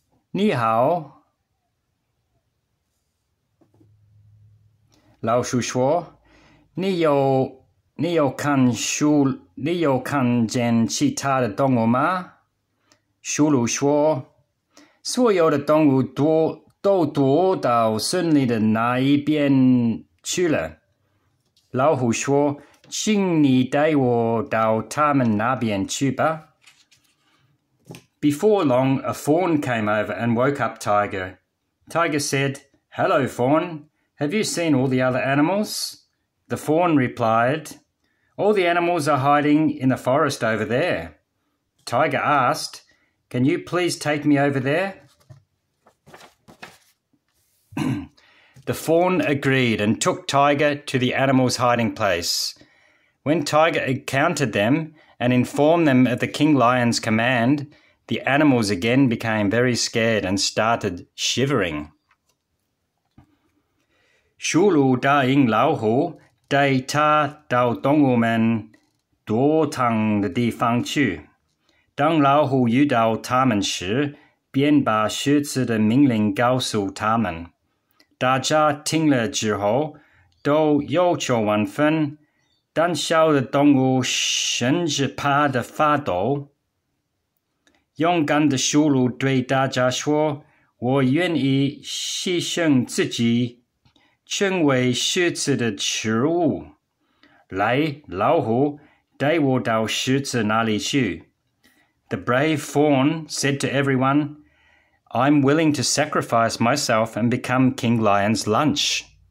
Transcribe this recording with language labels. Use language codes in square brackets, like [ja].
[zh] 你好，老鼠说：“你有看见其他的动物吗？” 驯鹿说：“所有的动物都躲到森林的那一边去了。” 老虎说：“请你带我到他们那边去吧。” [en] Before long, a fawn came over and woke up Tiger. Tiger said, "Hello, fawn. Have you seen all the other animals?" The fawn replied, "All the animals are hiding in the forest over there." Tiger asked, "Can you please take me over there?" The fawn agreed and took Tiger to the animals' hiding place. When Tiger encountered them and informed them of the King Lion's command, the animals again became very scared and started shivering. [zh] 驯鹿答应老虎带他到动物们躲藏的地方去。当老虎遇到他们时，便把狮子的命令告诉他们。大家听了之后，都忧愁万分，胆小的动物甚至怕得发抖。勇敢的驯鹿对大家说：“我愿意牺牲自己，成为狮子的食物。来，老虎，带我到狮子那里去。” [en] The brave fawn said to everyone, "I'm willing to sacrifice myself and become King Lion's lunch.